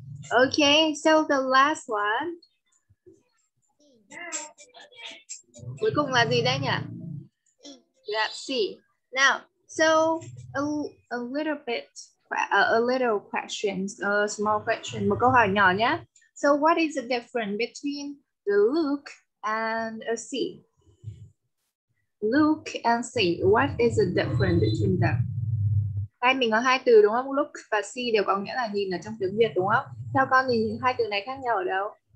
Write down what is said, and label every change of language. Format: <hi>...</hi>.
<en>Okay, so the last one.</en> <vi>Cuối cùng là gì đấy nhỉ?</vi> <en>Let's see. Now, so a small question,</en> <vi>một câu hỏi nhỏ nhé.</vi> <en>So what is the difference between the look and a see? Look and see, what is the difference between them?</en> <vi>Hai mình có hai từ đúng không? Look và see đều có nghĩa là nhìn ở trong tiếng Việt đúng không? Theo con thì hai từ này khác nhau ở đâu?</vi>